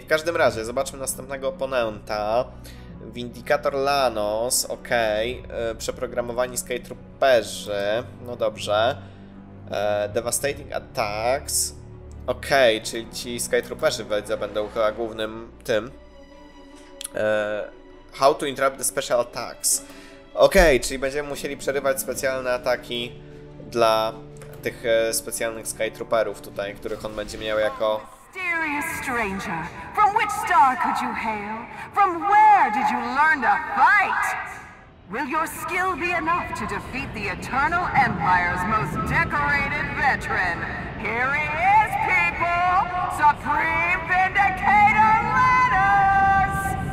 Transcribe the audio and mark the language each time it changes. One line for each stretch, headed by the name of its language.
Polish: W każdym razie, zobaczmy następnego oponenta. Vindicator Lanos, okej, przeprogramowani Skate Trooperzy, no dobrze. Devastating Attacks, okej, czyli ci Skate Trooperzy będą chyba głównym tym.
English: How to interrupt the special attacks.
Polish: Okej, czyli będziemy musieli przerywać specjalne ataki dla tych specjalnych Sky Trooperów tutaj, których on będzie miał jako...
English: Mysterious stranger, from which star could you hail? From where did you learn to fight? Will your skill be enough to defeat the Eternal Empire's most decorated veteran? Here he is, people! Supreme Vindicator Lanos!